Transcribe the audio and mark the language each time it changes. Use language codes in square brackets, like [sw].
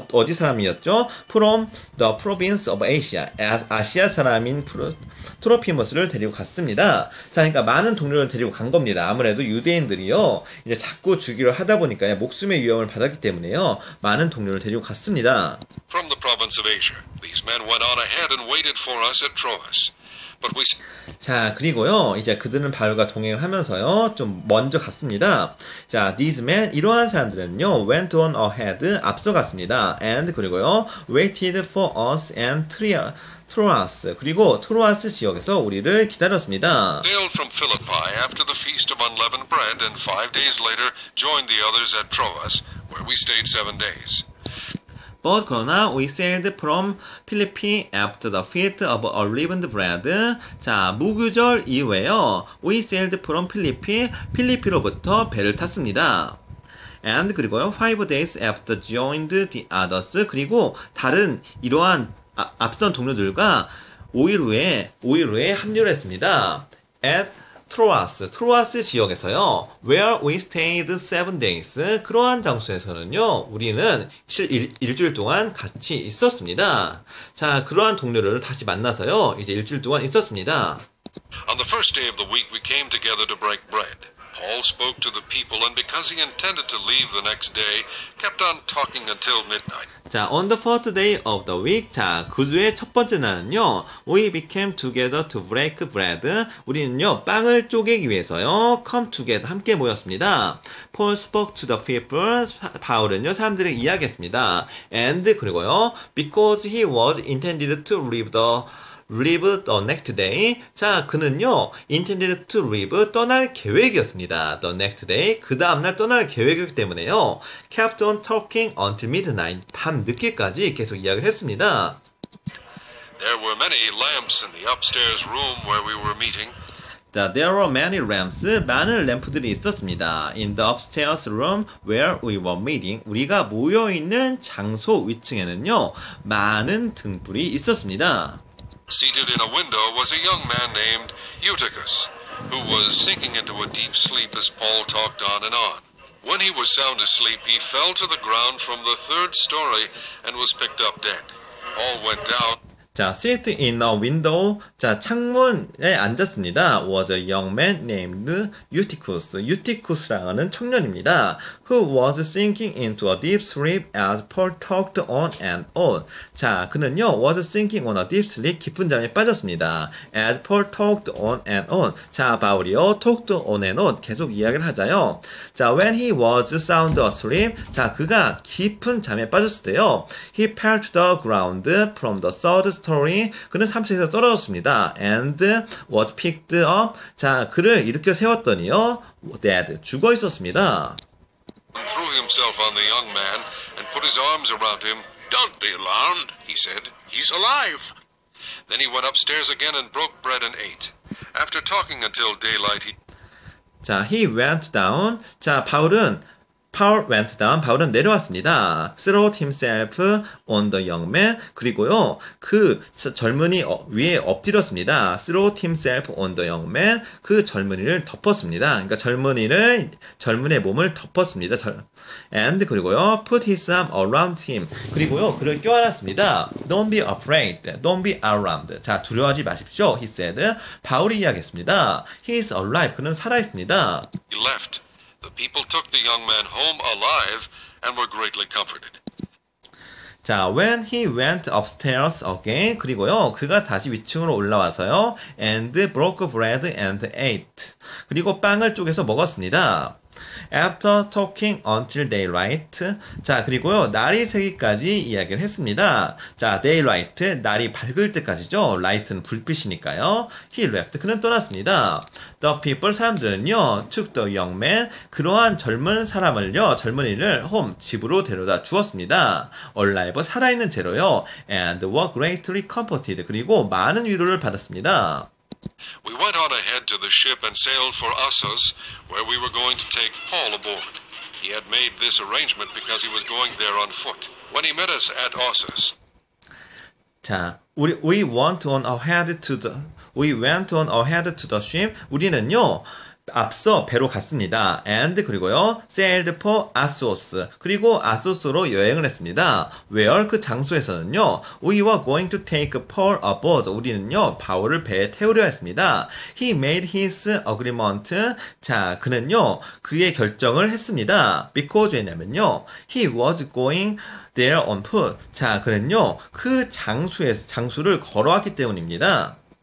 [ko] 어디 사람이었죠? [en] From the province of Asia. [ko] 아시아 사람인 트로피머스를 데리고 갔습니다. 자, 그러니까 많은 동료를 데리고 간 겁니다. 아무래도 유대인들이요, 이제 자꾸 죽이려 하다 보니까 목숨의 위험을 받았기 때문에요, 많은 동료를 데리고 갔습니다. [en] From the province of Asia, these men went on ahead and waited for us at Troas. But we. [ko] 자, 그리고요, 이제 그들은 바울과 동행을 하면서요, 좀 먼저 갔습니다. 자, [en] these men, [ko] 이러한 사람들은요, [en] went on ahead, [ko] 앞서 갔습니다. [en] And, [ko] 그리고요, [en] waited for us and Troas. [ko] 그리고 트로아스 지역에서 우리를 기다렸습니다. [en] Sailed from Philippi after the feast of unleavened bread, and 5 days later joined the others at Troas, where we stayed 7 days. But, [ko] 그러나, [en] we sailed from Philippi after the feast of unleavened bread. [ko] 자, 무교절 이후에요. [en] We sailed from Philippi, [ko] 필리피로부터 배를 탔습니다. [en] And, [ko] 그리고요, [en] 5 days after joined the others. [ko] 그리고, 다른, 이러한, 앞선 동료들과 5일 후에 합류를 했습니다. [en] At Troas [ko] 지역에서요, [en] where we stayed 7 days. [ko] 그러한 장소에서는요, 우리는 일주일 동안 같이 있었습니다. 자, 그러한 동료를 다시 만나서요, 이제 일주일 동안 있었습니다. [en] On the first day of the week, we came together to break bread. Paul spoke to the people, and because he intended to leave the next day, kept on talking until midnight. 자, on the fourth day of the week, 자, [ko] 그 주의 첫 번째 날은요, [en] we became together to break bread. [ko] 우리는요, 빵을 쪼개기 위해서요, [en] come together, [ko] 함께 모였습니다. [en] Paul spoke to the people, [ko] 바울은요, 사람들에게 이야기했습니다. [en] And, [ko] 그리고요, [en] because he was intended to leave the next day. [ko] 자, 그는요, [en] intended to leave, [ko] 떠날 계획이었습니다. [en] The next day, [ko] 그 다음날 떠날 계획이기 때문에요, [en] kept on talking until midnight, [ko] 밤 늦게까지 계속 이야기를 했습니다. [en] There were many lamps in the upstairs room where we were meeting. 자, there were many lamps. [ko] 많은 램프들이 있었습니다. [en] In the upstairs room where we were meeting. [ko] 우리가 모여 있는 장소 위층에는요, 많은 등불이 있었습니다. [en] Seated in a window was a young man named Eutychus, who was sinking into a deep sleep as Paul talked on and on. When he was sound asleep, he fell to the ground from the third story and was picked up dead. Paul went down. [ko] 자, [en] seated in a window. [ko] 자, 창문에 앉았습니다. [en] Was a young man named Eutychus. [ko] Eutychus라는 청년입니다. [en] Who was sinking into a deep sleep as Paul talked on and on. 자, 그는요, was sinking on a deep sleep. [ko] 깊은 잠에 빠졌습니다. [en] As Paul talked on and on. 자, 바울이요, talked on and on. [ko] 계속 이야기를 하자요. 자, [en] when he was sound asleep. [ko] 자, 그가 깊은 잠에 빠졌을 때요. [en] He fell to the ground from the third story. [ko] 그는 3층에서 떨어졌습니다. [en] And was picked up. 자, [ko] 그를 일으켜 세웠더니요, [en] dead. [ko] 죽어 있었습니다. [en] Threw himself on the young man and put his arms around him. Don't be alarmed, he said. He's alive. Then he went upstairs again and broke bread and ate. After talking until daylight, he. 자, he went down. 자, [ko] 바울은. [en] Paul went down. [ko] 바울은 내려왔습니다. [en] Throwed himself on the young man. [ko] 그리고요, 그 젊은이 위에 엎드렸습니다. [en] Throwed himself on the young man. [ko] 그 젊은이를 덮었습니다. 그러니까 젊은의 몸을 덮었습니다. [en] And [ko] 그리고요, [en] put his arm around him. [ko] 그리고요, 그를 껴안았습니다. [en] Don't be afraid. Don't be alarmed. [ko] 자, 두려워하지 마십시오. [en] He said. [ko] 바울이 이야기했습니다. [en] He is alive. [ko] 그는 살아있습니다. [en] He left. The people took the young man home alive and were greatly comforted. 자, when he went upstairs again, [ko] 그리고요, 그가 다시 위층으로 올라와서요, [en] and broke bread and ate. [ko] 그리고 빵을 쪼개서 먹었습니다. [en] After talking until daylight. [ko] 자, 그리고요, 날이 새기까지 이야기를 했습니다. 자, daylight, 날이 밝을 때까지죠. light는 불빛이니까요. [en] He left, [ko] 그는 떠났습니다. [en] The people, [ko] 사람들은요, [en] took the young man, [ko] 그러한 젊은 사람을요, 젊은이를 [en] home, [ko] 집으로 데려다 주었습니다. [en] Alive, [ko] 살아있는 채로요, [en] and were greatly comforted, [ko] 그리고 많은 위로를 받았습니다. [en] We went on ahead to the ship and sailed for Assos, where we were going to take Paul aboard. He had made this arrangement because he was going there on foot. When he met us at Assos. 자, we went on ahead to the ship. [ko] 우리는요, 앞서 배로 갔습니다. [en] And [ko] 그리고요, [en] sailed for Assos. [ko] 그리고 Assos로 여행을 했습니다. [en] Where [ko] 그 장소에서는요, [en] we were going to take Paul aboard. [ko] 우리는요, 바울을 배에 태우려 했습니다. [en] He made his agreement. [ko] 자, 그는요, 그의 결정을 했습니다. [en] Because [ko] 왜냐면요, [en] he was going there on foot. [ko] 자, 그는요, 그 장소를 걸어왔기 때문입니다.